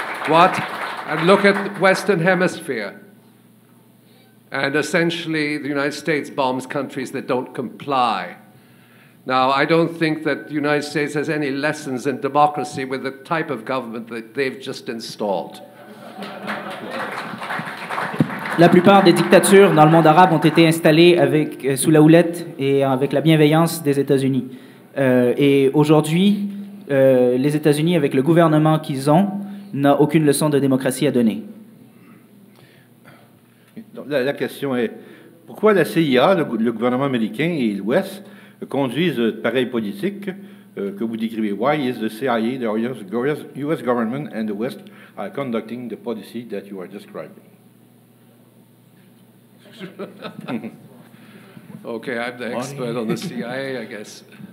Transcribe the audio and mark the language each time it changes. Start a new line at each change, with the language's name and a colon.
English: What? And look at the Western Hemisphere. And essentially, the United States bombs countries that don't comply. Now, I don't think that the United States has any lessons in democracy with the type of government that they've just installed.
French: La plupart des dictatures dans le monde arabe ont été installées avec, sous la houlette et avec la bienveillance des États-Unis. Et aujourd'hui, les États-Unis, avec le gouvernement qu'ils ont, n'ont aucune leçon de démocratie à donner. La question est, pourquoi la CIA, le gouvernement américain et l'Ouest conduisent pareille politique que vous décrivez?
English: Why is the CIA, the US government and the West are conducting the policy that you are describing? Okay, I'm the expert on the CIA, I guess.